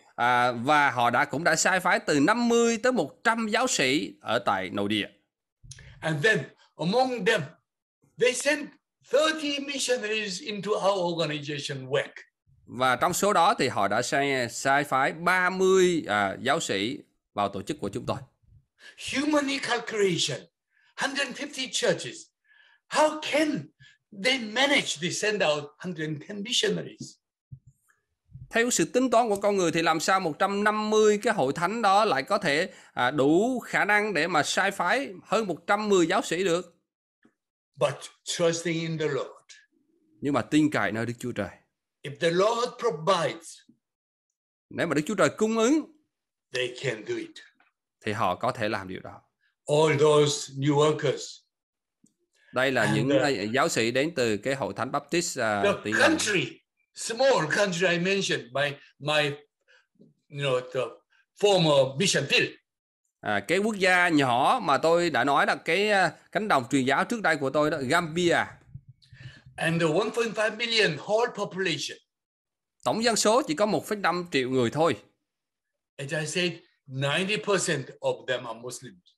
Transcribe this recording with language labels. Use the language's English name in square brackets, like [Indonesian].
[Vietnamese] À, và họ đã cũng đã sai phái từ 50 tới 100 giáo sĩ ở tại nội địa. [English] And then among them, they sent 30 missionaries into our organization work. [Vietnamese] Và trong số đó thì họ đã sai phái 30 giáo sĩ vào tổ chức của chúng tôi. [English] Humanly calculation, 150 churches. How can they manage to send out 110 missionaries? [Vietnamese] Theo sự tính toán của con người thì làm sao 150 cái hội thánh đó lại có thể đủ khả năng để mà sai phái hơn 110 giáo sĩ được? [English] But trusting in the Lord. [Vietnamese] Nhưng mà tin cậy nơi Đức Chúa Trời. [English] If the Lord provides. [Vietnamese] Nếu mà Đức Chúa Trời cung ứng. [English] They can do it. [Vietnamese] Thì họ có thể làm điều đó. [English] All those new workers. [Vietnamese] Đây là những giáo sĩ đến từ cái hội thánh Baptist. [English] The country, small country I mentioned by my, you know, the former mission field. [Vietnamese] Cái quốc gia nhỏ mà tôi đã nói là cái cánh đồng truyền giáo trước đây của tôi đó, Gambia. [English] And the 1.5 million whole population. [Vietnamese] Tổng dân số chỉ có 1,5 triệu người thôi. [English] As I said, 90% of them are Muslims.